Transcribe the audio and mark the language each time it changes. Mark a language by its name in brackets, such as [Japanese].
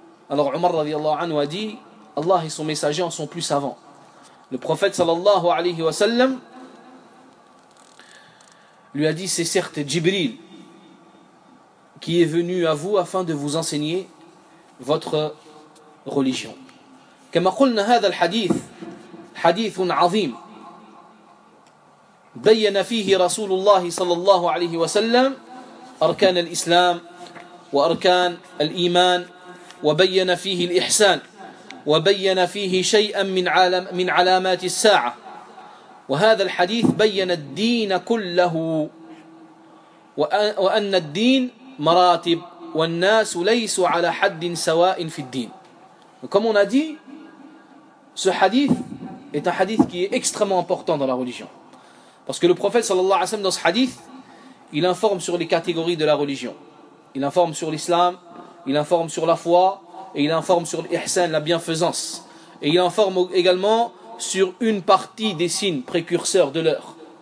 [French] Alors Omar radiallahu anhu a dit, Allah et son messager en sont plus savants. Le prophète sallallahu alayhi wa sallam lui a dit, c'est certes Jibril qui est venu à vous afin de vous enseigner votre religion. [Arabic] كما قلنا هذا الحديث حديث عظيم بين فيه رسول الله صلى الله عليه وسلم أركان الإسلام وأركان الإيمان وبين فيه الإحسان وبين فيه شيئا من علامات الساعة. وهذا الحديث بين الدين كله وأن الدين مراتب والناس ليس على حد سواء في الدين. [French] Comme on a dit, ce hadith est un hadith qui est extrêmement important dans la religion. Parce que le prophète sallallahu alayhi wa sallam, dans ce hadith, il informe sur les catégories de la religion. Il informe sur l'islam, il informe sur la foi, et il informe sur l'ihsan, la bienfaisance. Et il informe également sur une partie des signes précurseurs de l'heure.